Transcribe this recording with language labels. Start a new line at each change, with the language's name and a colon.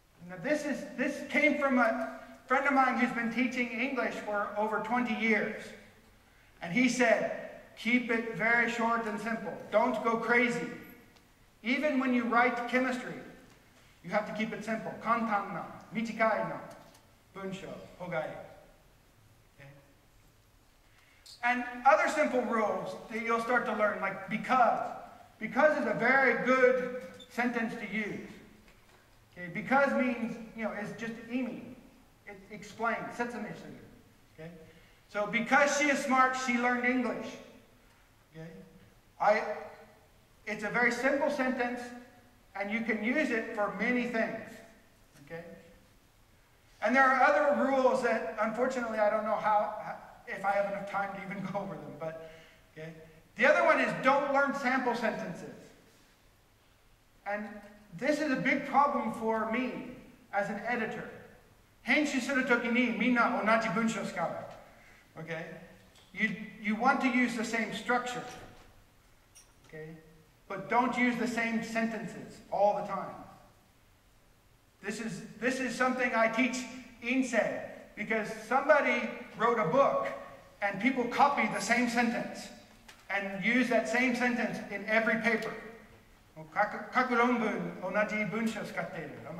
English: Now this came from a friend of mine who's been teaching English for over 20 years. And he said, keep it very short and simple. Don't go crazy. Even when you write chemistry, you have to keep it simple.
Japanese: 簡単な、短いな、文章、方がいい。
English: And other simple rules that you'll start to learn, like because. Because is a very good sentence to use. Okay, because means, you know, it's just imi. It explains, setsumishu. Okay. So because she is smart, she learned English. Okay. It's a very simple sentence, and you can use it for many things. Okay. And there are other rules that, unfortunately, I don't know how, if I have enough time to even go over them, but, okay. The other one is don't learn sample sentences. And this is a big problem for me as an editor.
Japanese: 編集するときにみんな同じ文章使う。
English: Okay? You want to use the same structure. Okay? But don't use the same sentences all the time. This is something I teach INSEE, because somebody wrote a book and people copy the same sentence and use that same sentence in every paper.
Japanese: 書く論文同じ文章使っている。